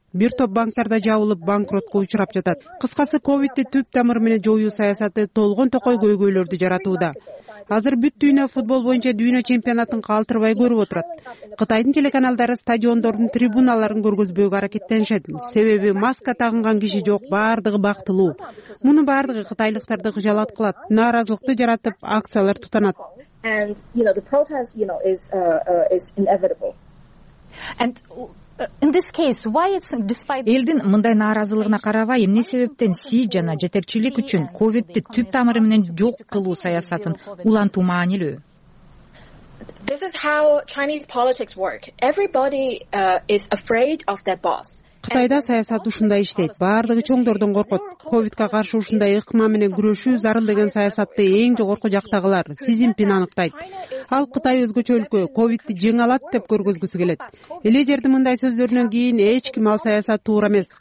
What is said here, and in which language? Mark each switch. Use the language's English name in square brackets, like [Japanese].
[Kyrgyz] Бир топ банктарда жабылып банкротко учурап жатат. Кыскасы, ковидди түп тамыр менен жоюу саясаты толгон токой көйгөйлөрдү жаратууда. Азыр бүт дүйнө футбол боюнча дүйнө чемпионатын калтырбай көрүп отурат. Кытайдын телеканалдары стадиондордун трибуналарын көргөзбөөгө аракеттенишет. Себеби маска тагынган киши жок, баардыгы бактылуу. Мунун баардыгы кытайлыктарды кыжалат кылат. Нааразылыкты жаратып, акциялар тутанат. [English] And you know the protest, you know, is inevitable. And in this case, why it's despite [Kyrgyz] элдин мындай нааразылыгына карабай, эмне себептен Си жана жетекчилик үчүн ковидди түп тамыры менен жок кылуу саясатын улантуу маанилүү? [English] This is how Chinese politics work. Everybody is afraid of their boss. [Kyrgyz] Кытайда саясат ушундай иштейт. Баардыгы чоңдордон коркот. Ковидке каршы ушундай ыкма менен күрөшүү зарыл деген саясатты эң жогорку жактагылар Си Цзиньпин аныктайт. Ал Кытай өзгөчө өлкө, ковидди жеңе алат деп көргөзгүсү келет. Лидердин мындай сөздөрүнөн кийин эч ким ал саясат туура эмес.